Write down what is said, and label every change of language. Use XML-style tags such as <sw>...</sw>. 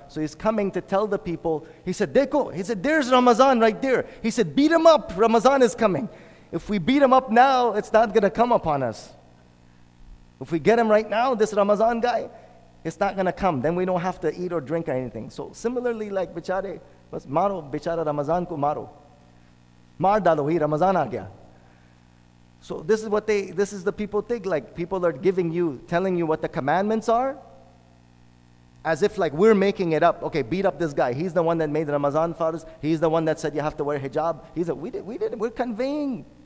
<en>So he's coming to tell the people. He said, "Dekho." He said, there's Ramadan right there. He said, beat him up, Ramadan is coming. If we beat him up now, it's not going to come upon us. If we get him right now, this Ramadan guy, it's not going to come. Then we don't have to eat or drink or anything. So similarly, like</en> <ur>bechara, بس مارو بیچارہ رمضان کو مارو مار ڈالو ہی رمضان آ گیا.</ur> <en>So this is what they, this is the people think, like people are giving you, telling you what the commandments are, as if like we're making it up. Okay, beat up this guy, he's the one that made Ramadan farz, he's the one that said you have to wear hijab, he's a, we did, we're conveying.</en>